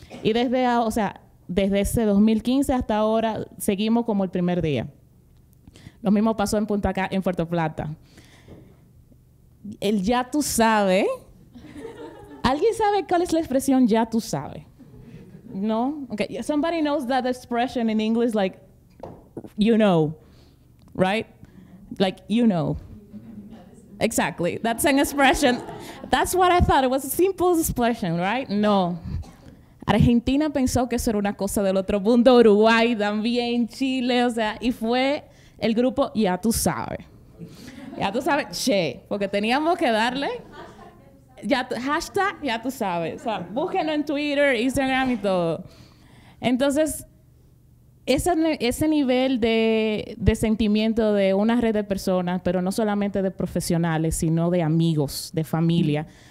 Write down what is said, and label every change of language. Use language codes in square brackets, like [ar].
[es] Y desde ese 2015 hasta ahora, seguimos como el primer día. Lo mismo pasó en Punta Cana, en Puerto Plata. El ya tú sabes. ¿Alguien sabe cuál es la expresión ya tú sabes? ¿No? Okay. [en] Somebody knows that expression in English, like, you know, right? Like, you know. Exactly. That's an expression. That's what I thought. It was a simple expression, right? [es] No. Argentina pensó que eso era una cosa del otro mundo. Uruguay también, Chile, o sea, y fue el grupo Ya Tú Sabes. Ya Tú Sabes, che, porque teníamos que darle hashtag Ya Tú Sabes. O sea, búsquenlo en Twitter, Instagram y todo. Entonces, ese nivel de sentimiento de una red de personas, pero no solamente de profesionales, sino de amigos, de familia.